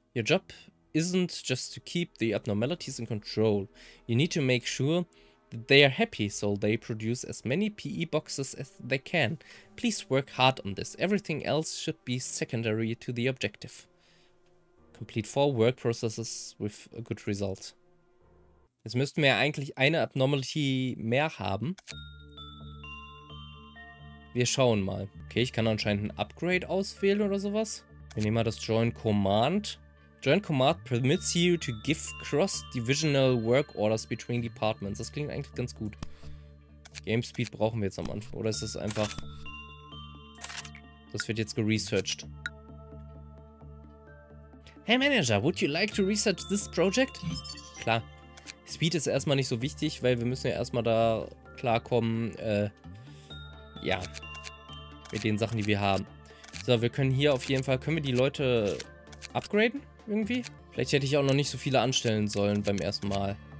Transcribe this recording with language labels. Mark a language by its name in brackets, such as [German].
[English] Your job isn't just to keep the abnormalities in control. You need to make sure that they are happy, so they produce as many PE boxes as they can. Please work hard on this. Everything else should be secondary to the objective. Complete 4 work processes with a good result. [German] Jetzt müssten wir eigentlich eine Abnormality mehr haben. Wir schauen mal. Okay, ich kann anscheinend ein Upgrade auswählen oder sowas. Wir nehmen mal das [English] Joint Command. Joint Command permits you to give cross-divisional work orders between departments. [German] Das klingt eigentlich ganz gut. Game Speed brauchen wir jetzt am Anfang. Oder ist das einfach... Das wird jetzt geresearched. [English] Hey Manager, would you like to research this project? [German] Klar. Speed ist erstmal nicht so wichtig, weil wir müssen ja erstmal da klarkommen, mit den Sachen, die wir haben. So, wir können hier auf jeden Fall... Können wir die Leute upgraden? Irgendwie. Vielleicht hätte ich auch noch nicht so viele anstellen sollen beim ersten Mal.